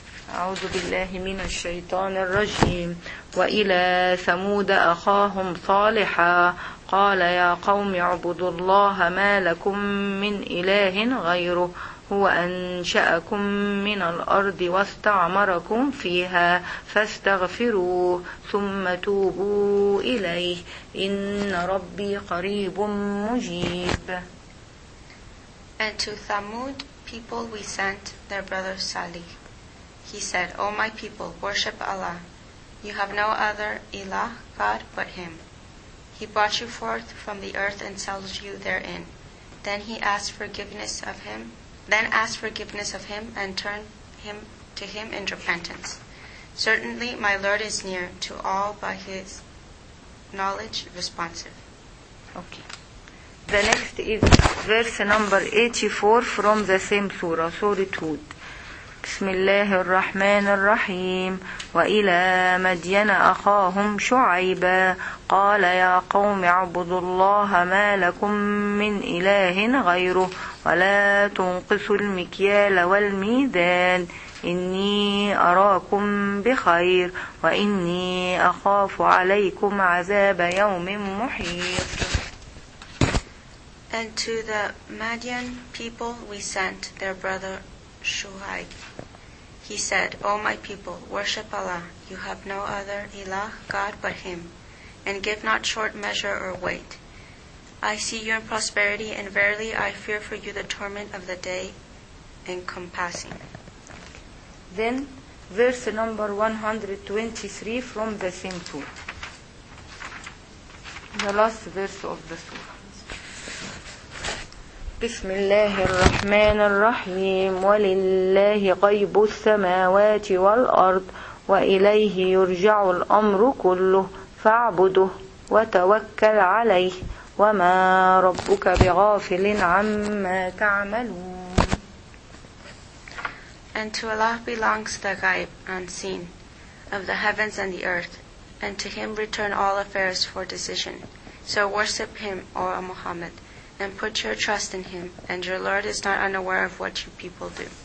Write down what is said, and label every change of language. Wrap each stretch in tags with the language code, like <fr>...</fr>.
<ar>أعوذ بالله من الشيطان الرجيم وإلى ثمود أخاهم صالحا قال يا قوم اعبدوا الله ما لكم من إله غيره هو أنشأكم من الأرض واستعمركم فيها فاستغفروه ثم توبوا إليه إن ربي قريب مجيب.</ar> <en>And to Thamud people we sent their brother Salih. He said, O my people, worship Allah. You have no other ilah, God, but Him. He brought you forth from the earth and settled you therein. Then He asked forgiveness of Him. Then asked forgiveness of Him and turned him to Him in repentance. Certainly, my Lord is near to all by His knowledge responsive. Okay. The next is verse number 84 from the same surah, Surah Hud.</en> <ar>بسم الله الرحمن الرحيم وإلى مدين أخاهم شعيبا قال يا قوم اعبدوا الله ما لكم من إله غيره ولا تنقصوا المكيال والميزان إني أراكم بخير وإني أخاف عليكم عذاب يوم محيط.</ar> <en>And to the Madian people we sent their brother Shu'aib. He said, O my people, worship Allah. You have no other ilah, God, but Him, and give not short measure or weight. I see your prosperity, and verily I fear for you the torment of the day encompassing. Then, verse number 123 from the same surah. The last verse of the surah.</en> <ar>بسم الله الرحمن الرحيم ولله غيب السماوات والأرض وإليه يرجع الأمر كله فاعبده وتوكل عليه وما ربك بغافل عما تعملون.</ar> <en>And to Allah belongs the ghaib, unseen, of the heavens and the earth, and to Him return all affairs for decision. So worship Him, O Muhammad, and put your trust in Him, and your Lord is not unaware of what you people do.</en>